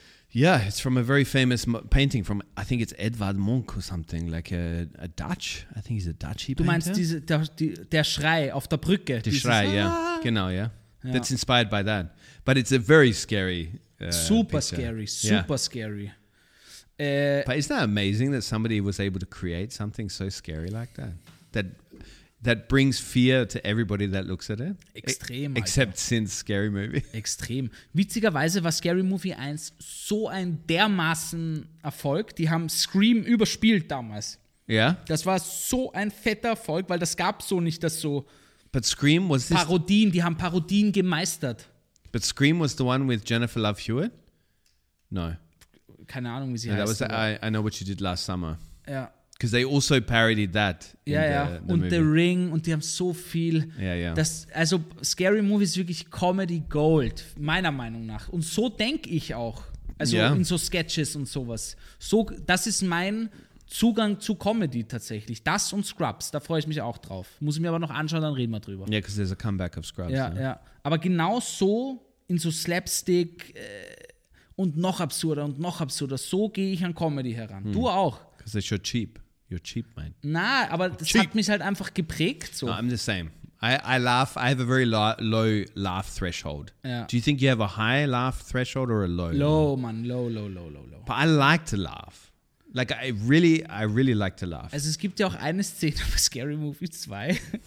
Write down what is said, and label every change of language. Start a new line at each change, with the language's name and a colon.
English: Yeah, it's from a very famous painting from, I think it's Edvard Munch or something, like a Dutch, I think he's a Dutchie painter.
German: Du meinst diese, der Schrei auf der Brücke. Der Schrei,
English: yeah, genau, yeah. That's inspired by that. But it's a very scary Super scary. But isn't that amazing that somebody was able to create something so scary like that? That brings fear to everybody that looks at it.
German: Extrem.
English: Except since Scary Movie.
German: Extrem. Witzigerweise war Scary Movie 1 so ein dermaßen Erfolg. Die haben Scream überspielt damals. Ja? Yeah. Das war so ein fetter Erfolg, weil das gab so nicht, dass so.
English: But Scream was this?
German: Parodien, die haben Parodien gemeistert.
English: But Scream was the one with Jennifer Love Hewitt? No.
German: Keine Ahnung, wie sie heißt.
English: That was I Know What You Did Last Summer.
German: Ja.
English: Because they also parodied that.
German: The Ring und die haben so viel. Also Scary Movie ist wirklich Comedy Gold, meiner Meinung nach. Und so denke ich auch. Also in so Sketches und sowas. So, das ist mein Zugang zu Comedy tatsächlich. Das und Scrubs, da freue ich mich auch drauf. Muss ich mir aber noch anschauen, dann reden wir drüber.
English: Yeah, because there's a comeback of Scrubs.
German: Ja. Aber genau so in so Slapstick und noch absurder, so gehe ich an Comedy heran. Du auch.
English: Because it's so cheap. You're cheap, mate.
German: Nah, aber das cheap. Hat mich halt einfach geprägt. So.
English: No, I'm the same. I laugh, I have a very low laugh threshold. Yeah. Do you think you have a high laugh threshold or a low? Low, man. Low. But I like to laugh. Like, I really like to laugh.
German: Also es gibt ja auch eine Szene bei Scary Movie 2.